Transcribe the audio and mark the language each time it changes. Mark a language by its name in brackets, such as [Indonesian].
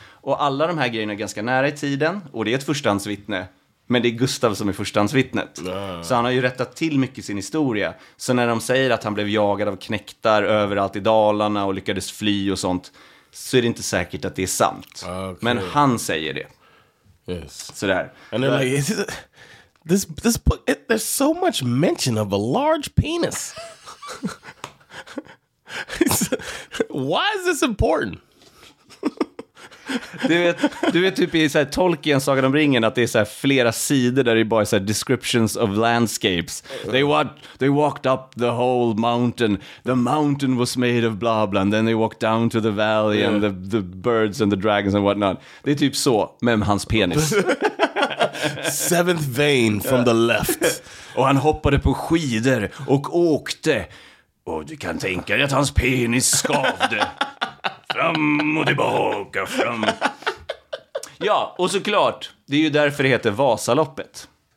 [Swedish] Och alla de här grejerna är ganska nära i tiden och det är ett förstahandsvittne. Men det är Gustav som är förstahandsvittnet. Nah. Så han har ju rättat till mycket sin historia. Så när de säger att han blev jagad av knäktar överallt i Dalarna och lyckades fly och sånt, så är det inte säkert att det är sant. [English] Okay. [Swedish] Men han säger det. [English] Yes. [Swedish] Sådär. [English] And they're like, this book, there's so much mention of a large penis. Why is this important? [Swedish] Du vet typ i så här Tolkien Sagan om ringen att det är så här flera sidor där det bara är så här [English] descriptions of landscapes. They walked up the whole mountain. The mountain was made of blah blah, and then they walked down to the valley and the birds and the dragons and whatnot. [Swedish] Det är typ så med hans penis. [English] Seventh vein from the left. [Swedish] Och han hoppade på skidor och åkte. Och du kan tänka dig att hans penis skavde. Fram och tillbaka, fram. Ja, och såklart, det är ju därför det heter Vasaloppet.